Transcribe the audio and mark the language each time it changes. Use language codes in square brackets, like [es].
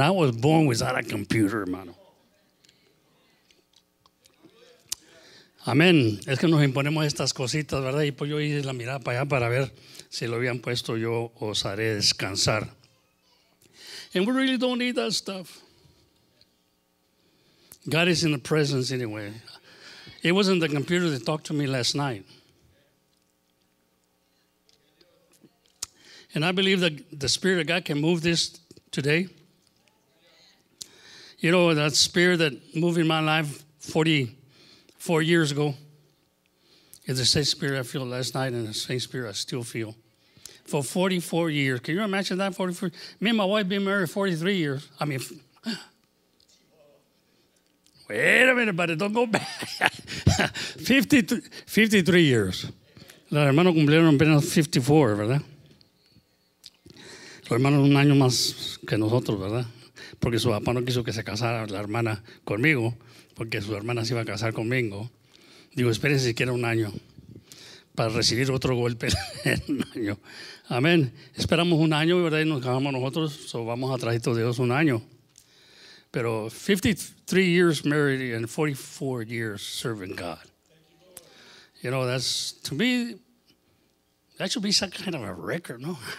[en] I was born without a computer, hermano. [es] Amén. Es que nos imponemos estas cositas, ¿verdad? Y pues yo hice la mirada para allá para ver si lo habían puesto. Yo os haré descansar. [en] And we really don't need that stuff. God is in the presence anyway. It wasn't the computer that talked to me last night. And I believe that the Spirit of God can move this today. You know, that Spirit that moved in my life 44 years ago is the same Spirit I feel last night and the same Spirit I still feel. For 44 years. Can you imagine that? 44. Me and my wife been married 43 years. I mean, wait a minute, buddy. Don't go back. 53 years. [es] Los hermanos cumplieron apenas 54, ¿verdad? Los hermanos un año más que nosotros, ¿verdad? Porque su papá no quiso que se casara la hermana conmigo, porque su hermana se iba a casar conmigo. Digo, espérense siquiera un año para recibir otro golpe en un año. Amén. Esperamos un año, ¿verdad? Y nos casamos nosotros, so vamos a traer a Dios un año. [en] Pero 53 years married and 44 years serving God. You know, that's, to me, that should be some kind of a record, ¿no?